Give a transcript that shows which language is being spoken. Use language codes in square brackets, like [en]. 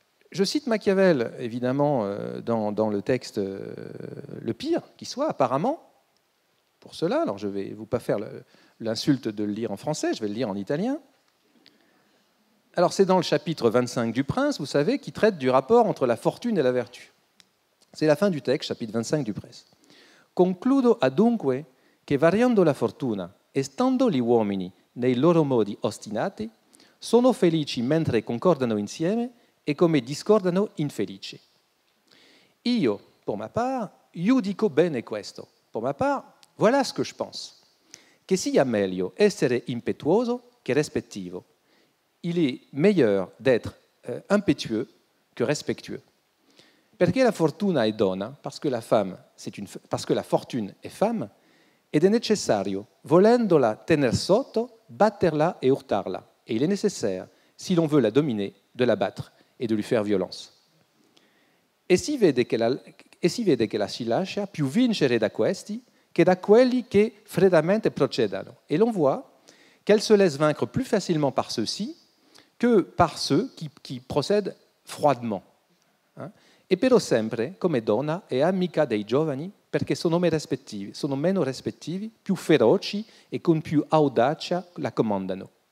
[fr] Je cite Machiavel, évidemment, dans le texte le pire qui soit, apparemment, pour cela, alors je ne vais vous pas faire l'insulte de le lire en français, je vais le lire en italien. Alors, c'est dans le chapitre 25 du Prince, vous savez, qui traite du rapport entre la fortune et la vertu. C'est la fin du texte, chapitre 25 du Prince. [it] Concludo adunque che variando la fortuna, estando gli uomini nei loro modi ostinati, sono felici mentre concordano insieme e come discordano infelici. Io, [fr] pour ma part, [it] giudico bene questo. [fr] Pour ma part, voilà ce que je pense. [it] Che sia meglio essere impetuoso che respettivo. [fr] Il est meilleur d'être impétueux que respectueux. [it] Perché la fortuna è donna, [fr] parce que la fortune est femme, [it] ed è necessario, volendola tener sotto, batterla e urtarla. [fr] Et il est nécessaire, si l'on veut la dominer, de la battre et de lui faire violence. [it] E si vede che la si lascia più vincere da questi che da quelli che freddamente procedano. [fr] Et l'on voit qu'elle se laisse vaincre plus facilement par ceux-ci que par ceux qui procèdent froidement. Hein? [it] E però sempre, come donna, è amica dei giovani, perché sono meno rispettivi, più feroci e con più audacia la comandano.